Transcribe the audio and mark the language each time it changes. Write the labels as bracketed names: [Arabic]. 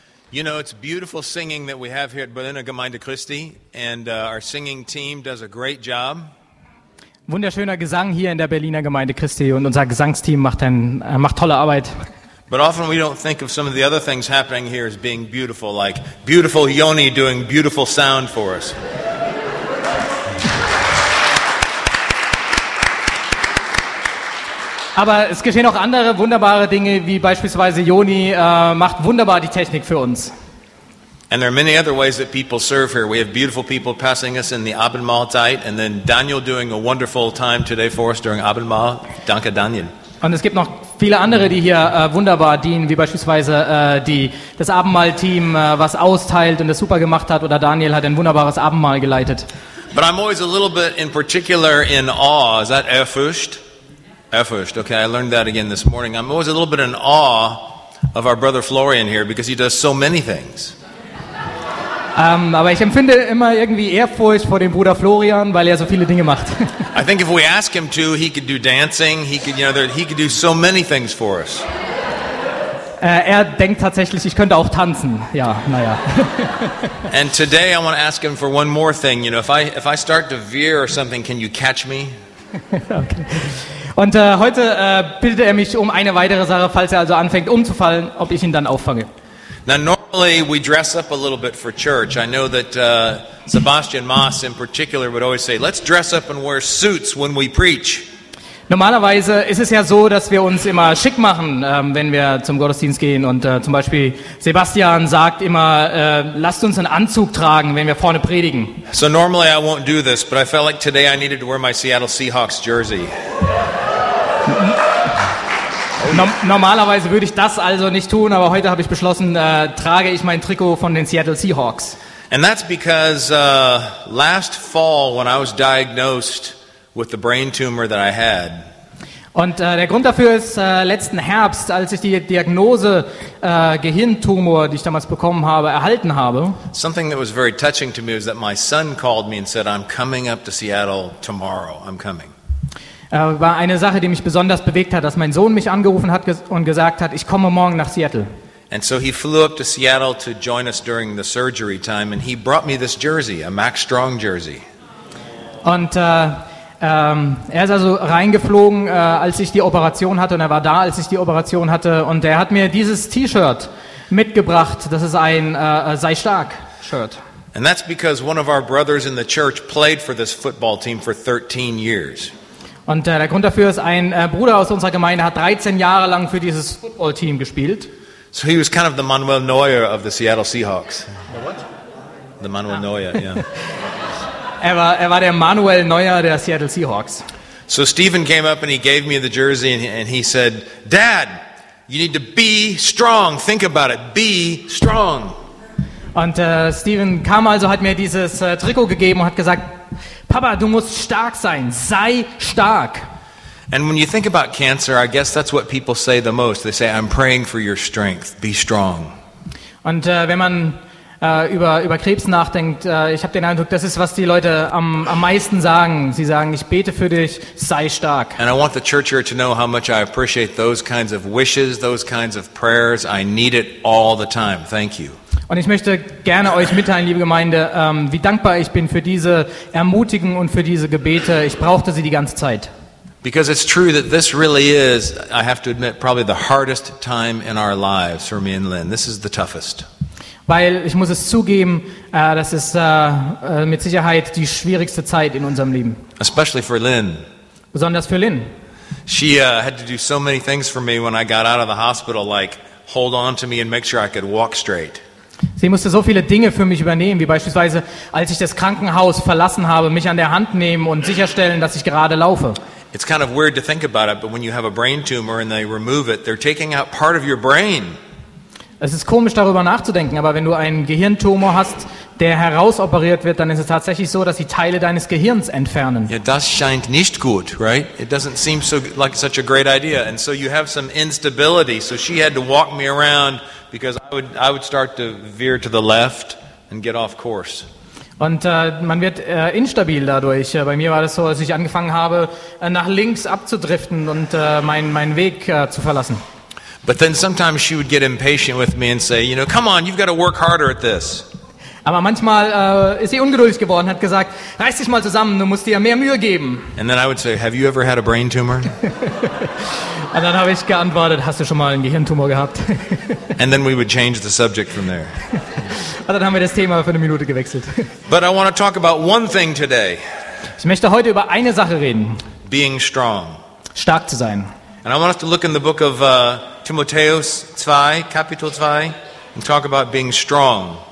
[English] You know, it's beautiful singing that we have here at Berliner Gemeinde Christi, and our singing team does a great job. [German] Wunderschöner Gesang hier in der Berliner Gemeinde Christi, und unser Gesangsteam macht tolle Arbeit. [English] But often we don't think of some of the other things happening here as being beautiful, like beautiful Yoni doing beautiful sound for us. [German] Aber es geschehen auch andere wunderbare Dinge, wie beispielsweise Yoni macht wunderbar die Technik für uns. [English] And there are many other ways that people serve here. We have beautiful people passing us in the [German] Abendmahl Zeit, [English] and then Daniel doing a wonderful time today for us during Abendmahl. [German] Danke, Daniel. Und es gibt noch viele andere, die hier wunderbar dienen, wie beispielsweise das Abendmahl-Team, was austeilt und das super gemacht hat, oder Daniel hat ein wunderbares Abendmahl geleitet. [English] But I'm always a little bit in particular in awe. Is that Ehrfurcht? Ehrfurcht, okay, I learned that again this morning. I'm always a little bit in awe of our brother Florian here because he does so many things. [German] Aber ich empfinde immer irgendwie Ehrfurcht vor dem Bruder Florian, weil so viele Dinge macht. [English] I think if we ask him to, he could do dancing, he could do so many things for us. [German] Denkt tatsächlich, ich könnte auch tanzen, ja, naja. [English] And today I want to ask him for one more thing, you know, if I start to veer or something, can you catch me? Okay. [German] Und heute bittet mich um eine weitere Sache, falls also anfängt umzufallen, ob ich ihn dann auffange. [English] Now normally we dress up a little bit for church. I know that Sebastian Maas in particular would always say, let's dress up and wear suits when we preach. [German] Normalerweise ist es ja so, dass wir uns immer schick machen, wenn wir zum Gottesdienst gehen. Und zum Beispiel Sebastian sagt immer, lasst uns einen Anzug tragen, wenn wir vorne predigen. [English] So normally I won't do this, but I felt like today I needed to wear my Seattle Seahawks jersey. [German] Normalerweise würde ich das also nicht tun, aber heute habe ich beschlossen, trage ich mein Trikot von den Seattle Seahawks. [English] And that's because last fall when I was diagnosed with the brain tumor that I had. [German] Und der Grund dafür ist letzten Herbst, als ich die Diagnose Gehirntumor, die ich damals bekommen habe, erhalten habe. [English] Something that was very touching to me was that my son called me and said, I'm coming up to Seattle tomorrow. I'm coming. [German] War eine Sache, die mich besonders bewegt hat, dass mein Sohn mich angerufen hat und gesagt hat, ich komme morgen nach Seattle. [English] And so he flew up to Seattle to join us during the surgery time, and he brought me this jersey, a Max Strong jersey. [German] Und er ist also reingeflogen, als ich die Operation hatte, und er war da, als ich die Operation hatte, und er hat mir dieses T-Shirt mitgebracht. Das ist ein Sei Stark-Shirt. [English] And that's because one of our brothers in the church played for this football team for 13 years. [German] Und der Grund dafür ist, ein Bruder aus unserer Gemeinde hat 13 Jahre lang für dieses Football-Team gespielt. [English] So he was kind of the Manuel Neuer of the Seattle Seahawks. The what? The Manuel Neuer, yeah. [German] Er war der Manuel Neuer der Seattle Seahawks. [English] So Stephen came up and he gave me the jersey and he said, Dad, you need to be strong. Think about it. Be strong. [German] Und Stephen kam also, hat mir dieses Trikot gegeben und hat gesagt, Papa, du musst stark sein. Sei stark. [English] And when you think about cancer, I guess that's what people say the most. They say, I'm praying for your strength. Be strong. [German] Und wenn man über Krebs nachdenkt, ich habe den Eindruck, das ist, was die Leute am meisten sagen. Sie sagen, ich bete für dich, sei stark. [English] And I want the church here to know how much I appreciate those kinds of wishes, those kinds of prayers. I need it all the time. Thank you. [German] Und ich möchte gerne euch mitteilen, liebe Gemeinde, wie dankbar ich bin für diese Ermutigung und für diese Gebete. Ich brauchte sie die ganze Zeit. [English] Because it's true that this really is, I have to admit, probably the hardest time in our lives for me and Lynn. This is the toughest. [German] Weil ich muss es zugeben, das ist mit Sicherheit die schwierigste Zeit in unserem Leben. [English] Especially for Lynn. [German] Besonders für Lynn. [English] She had to do so many things for me when I got out of the hospital, like hold on to me and make sure I could walk straight. [German] Sie musste so viele Dinge für mich übernehmen, wie beispielsweise, als ich das Krankenhaus verlassen habe, mich an der Hand nehmen und sicherstellen, dass ich gerade laufe. [English] It's kind of weird to think about it, but when you have a brain tumor and they remove it, they're taking out part of your brain. [German] Es ist komisch, darüber nachzudenken, aber wenn du einen Gehirntumor hast, der herausoperiert wird, dann ist es tatsächlich so, dass sie Teile deines Gehirns entfernen. Ja, das scheint nicht gut, [English] right? It doesn't seem so like such a great idea. And so you have some instability. So she had to walk me around because I would start to veer to the left and get off course. [German] Und man wird instabil dadurch. Bei mir war das so, als ich angefangen habe, nach links abzudriften und meinen Weg zu verlassen. [English] But then sometimes she would get impatient with me and say, you know, come on, you've got to work harder at this. [German] Aber manchmal ist sie ungeduldig geworden, hat gesagt, reiß dich mal zusammen, du musst dir mehr Mühe geben. [English] And then I would say, have you ever had a brain tumor? [German] Und dann habe ich geantwortet, hast du schon mal einen Gehirntumor gehabt? [English] And then we would change the subject from there. [German] Und dann haben wir das Thema für eine Minute gewechselt. [English] But I want to talk about one thing today. [German] Ich möchte heute über eine Sache reden. [English] Being strong. [German] Stark zu sein. [English] And I want us to look in the book of Timotheus 2, [German] Kapitel 2, [English] and talk about being strong.